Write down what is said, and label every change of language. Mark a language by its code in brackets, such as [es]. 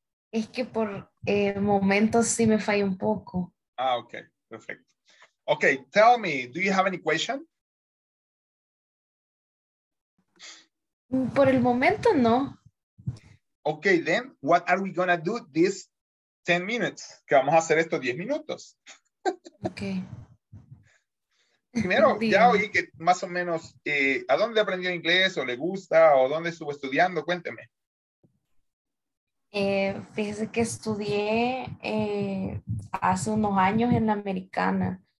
[es] Es que por momentos sí me falla un poco. [en] Ah, okay, perfect. Okay, tell me, do you have any question? [es] Por el momento, no. [en] Okay, then, what are we gonna do this 10 minutes? [es] Que vamos a hacer esto 10 minutos. Okay. Primero, ya oí que más o menos, ¿a dónde aprendió inglés o le gusta o dónde estuvo estudiando? Cuénteme. Fíjese que estudié hace unos años en la Americana.